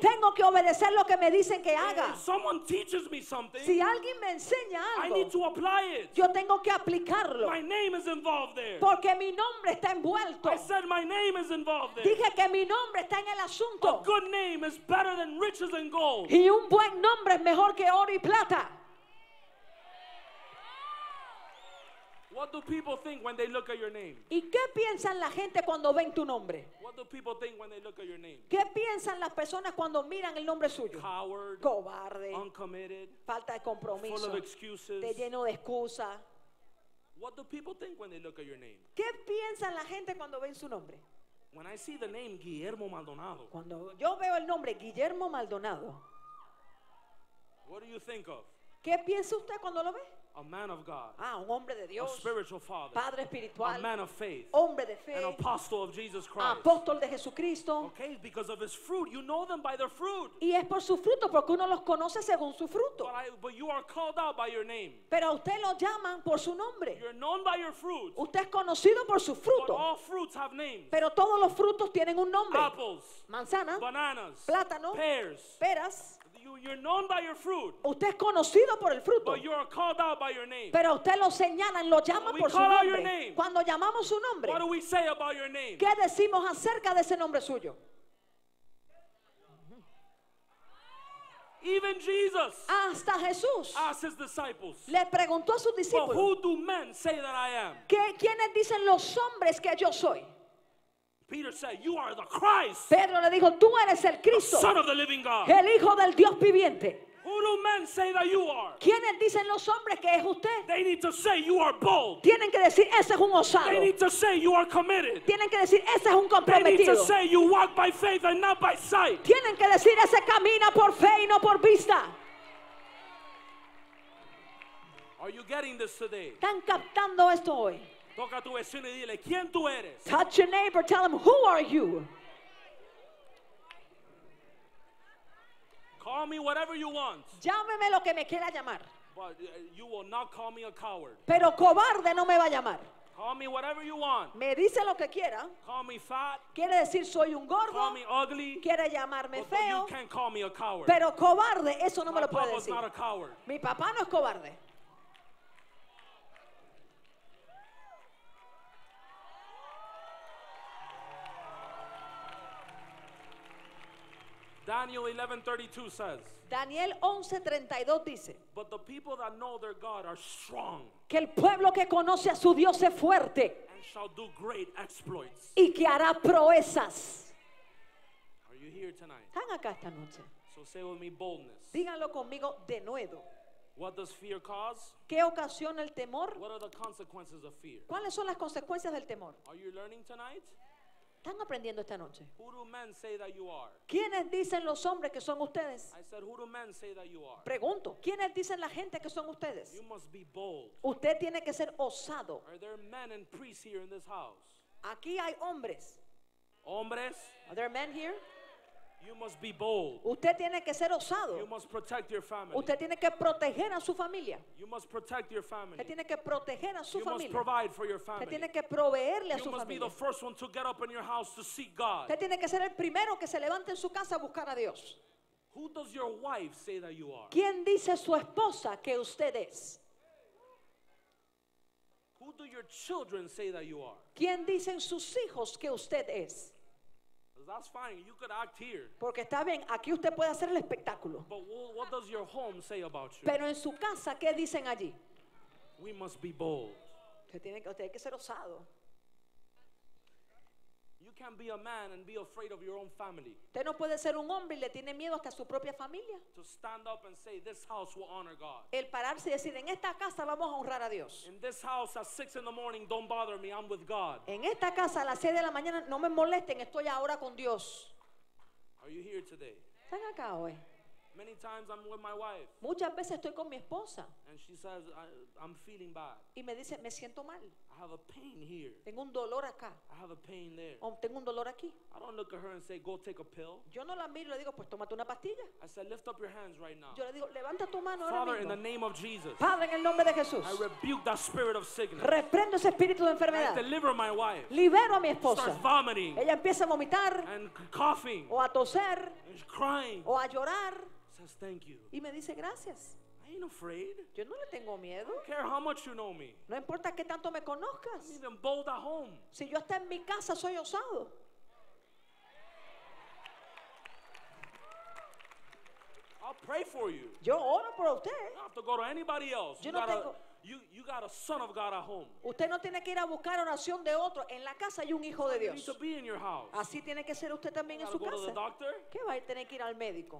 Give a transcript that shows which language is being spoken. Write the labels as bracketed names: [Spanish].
[Spanish] Tengo que obedecer lo que me dicen que haga. [English] If someone teaches me something, [Spanish] si alguien me enseña algo, [English] I need to apply it. [Spanish] Yo tengo que aplicarlo. [English] My name is involved there. [Spanish] Porque mi nombre está envuelto. [English] I said my name is involved there. [Spanish] Dije que mi nombre está en el asunto. [English] A good name is better than riches and gold. [Spanish] Y un buen nombre es mejor que oro y plata. [English] What do people think when they look at your name? [Spanish] ¿Y qué piensan la gente cuando ven tu nombre? [English] What do people think when they look at your name? [Spanish] ¿Qué piensan las personas cuando miran el nombre suyo? [English] Coward, [Spanish] cobarde, [English] uncommitted, [Spanish] falta de compromiso, [English] full of excuses, [Spanish] te lleno de excusa. [English] What do people think when they look at your name? [Spanish] ¿Qué piensan la gente cuando ven su nombre? [English] When I see the name Guillermo Maldonado. [Spanish] Cuando yo veo el nombre Guillermo Maldonado. [English] What do you think of? [Spanish] ¿Qué piensa usted cuando lo ve? [English] A man of God. [Spanish] Ah, un hombre de Dios. [English] A spiritual father. [Spanish] Padre espiritual. [English] A man of faith. [Spanish] Hombre de fe. [English] An apostle of Jesus Christ. [Spanish] Apóstol de Jesucristo. [English] Okay, because of his fruit, you know them by their fruit. [Spanish] Y es por su fruto, porque uno los conoce según su fruto. [English] But you are called out by your name. [Spanish] Pero a usted lo llaman por su nombre. [English] You're known by your fruit. [Spanish] Usted es conocido por su fruto. [English] But all fruits have names. [Spanish] Pero todos los frutos tienen un nombre. [English] Apples. [Spanish] Manzanas. [English] Bananas. [Spanish] Plátano. [English] Pears. [Spanish] Peras. [English] You're known by your fruit. [Spanish] Usted es conocido por el fruto. [English] But you are called out by your name. [Spanish] Pero usted lo señalan, lo llaman por su nombre. [English] Your name, [Spanish] cuando llamamos su nombre. [English] What do we say about your name? [Spanish] ¿Qué decimos acerca de ese nombre suyo? [English] Even Jesus. [Spanish] Hasta Jesús. [English] Asked his disciples. [Spanish] Le preguntó a sus discípulos. [English] Well, who do men say that I am? [Spanish] ¿Quiénes dicen los hombres que yo soy? [English] Peter said, "You are the Christ." [Spanish] Pedro le dijo, "Tú eres el Cristo." [English] The Son of the Living God. [Spanish] El hijo del Dios viviente. [English] Who do men say that you are? [Spanish] ¿Quiénes dicen los hombres que es usted? [English] They need to say you are bold. [Spanish] Tienen que decir, ese es un osado. [English] They need to say you are committed. [Spanish] Tienen que decir, ese es un comprometido. [English] They need to say you walk by faith and not by sight. [Spanish] Tienen que decir, ese camina por fe y no por vista. [English] Are you getting this today? [Spanish] ¿Están captando esto hoy? Toca a tu vecino y dile, ¿quién tú eres? [English] Touch your neighbor, tell him, who are you? Call me whatever you want. [Spanish] Llámeme lo que me quiera llamar. [English] But you will not call me a coward. [Spanish] Pero cobarde no me va a llamar. [English] Call me whatever you want. [Spanish] Me dice lo que quiera. [English] Call me fat. [Spanish] Quiere decir soy un gordo. [English] Call me ugly. [Spanish] Quiere llamarme [English] but [Spanish] feo. [English] But you can't call me a coward. [Spanish] Pero cobarde, eso no [English] My [Spanish] me lo puede decir. [English] Not a coward. [Spanish] Mi papá no es cobarde. [English] Daniel 11:32 says. [Spanish] Daniel 11:32 dice. [English] But the people that know their God are strong. [Spanish] Que el pueblo que conoce a su Dios es fuerte. [English] And shall do great exploits. [Spanish] Y que hará proezas. [English] Are you here tonight? [Spanish] ¿Están acá esta noche? [English] So say with me boldness. [Spanish] Díganlo conmigo de nuevo. [English] What does fear cause? [Spanish] ¿Qué ocasiona el temor? [English] What are the consequences of fear? [Spanish] ¿Cuáles son las consecuencias del temor? [English] Are you learning tonight? [Spanish] Están aprendiendo esta noche. [English] Who do men say that you are? [Spanish] ¿Quiénes dicen los hombres que son ustedes? [English] I said, who do men say that you are? [Spanish] Pregunto, ¿quiénes dicen la gente que son ustedes? [English] You must be bold. [Spanish] Usted tiene que ser osado. [English] Are there men and priests here in this house? [Spanish] Aquí hay hombres. Hombres, [English] are there men here? You must be bold. [Spanish] Usted tiene que ser osado. [English] You must protect your family. [Spanish] Usted tiene que proteger a su familia. [English] You must protect your family. [Spanish] Usted tiene que proteger a su [English] you [Spanish] familia. [English] Must provide for your family. [Spanish] Usted tiene que proveerle [English] you [Spanish] a su familia. [English] You must be the first one to get up in your house to seek God. [Spanish] Usted tiene que ser el primero que se levante en su casa a buscar a Dios. [English] Who does your wife say that you are? [Spanish] ¿Quién dice su esposa que usted es? [English] Who do your children say that you are? [Spanish] ¿Quién dicen sus hijos que usted es? [English] That's fine. You could act here. [Spanish] Porque está bien, aquí usted puede hacer el espectáculo. [English] But what does your home say about you? [Spanish] Pero en su casa, ¿qué dicen allí? [English] We must be bold. [Spanish] Usted tiene que ser osado. [English] You can be a man and be afraid of your own family. [Spanish] Usted no puede ser un hombre y le tiene miedo hasta a su propia familia. [English] To stand up and say, this house will honor God. [Spanish] El pararse y decir, en esta casa vamos a honrar a Dios. [English] In this house at 6 in the morning, don't bother me, I'm with God. [Spanish] En esta casa a las 6 de la mañana no me molesten, estoy ahora con Dios. [English] Are you here today? [Spanish] ¿Están acá hoy? [English] Many times I'm with my wife. [Spanish] Muchas veces estoy con mi esposa. [English] And she says, I'm feeling bad. [Spanish] Y me dice, me siento mal. [English] I have a pain here. [Spanish] Tengo un dolor acá. [English] I have a pain there. [Spanish] O tengo un dolor aquí. [English] I don't look at her and say, go take a pill. [Spanish] Yo no la miro y le digo, pues tómate una pastilla. [English] I said, lift up your hands right now. [Spanish] Yo le digo, levanta tu mano [English] Father, [Spanish] ahora mismo. [English] In the name of Jesus. [Spanish] Padre, en el nombre de Jesús. [English] I rebuke that spirit of sickness. [Spanish] Reprendo ese espíritu de enfermedad. [English] I deliver my wife. [Spanish] Libero a mi esposa. [English] Starts vomiting. [Spanish] Ella empieza a vomitar. [English] And coughing. [Spanish] O a toser. [English] And crying. [Spanish] O a llorar. [English] Says thank you. [Spanish] Y me dice gracias. [English] I ain't afraid. [Spanish] Yo no le tengo miedo. [English] I don't care how much you know me. [Spanish] No importa qué tanto me conozcas. [English] I'm even bold at home. [Spanish] Si yo hasta en mi casa soy osado. [English] I'll pray for you. [Spanish] Yo oro por usted. [English] You don't have to go to anybody else. [Spanish] Yo no tengo. [English] You got a son of God at home. [Spanish] Usted no tiene que ir a buscar oración de otro. En la casa hay un hijo de Dios. [English] You need to be in your house. [Spanish] Así tiene que ser usted también en su casa. [English] You gotta go to the doctor. [Spanish] ¿Qué va a tener que ir al médico?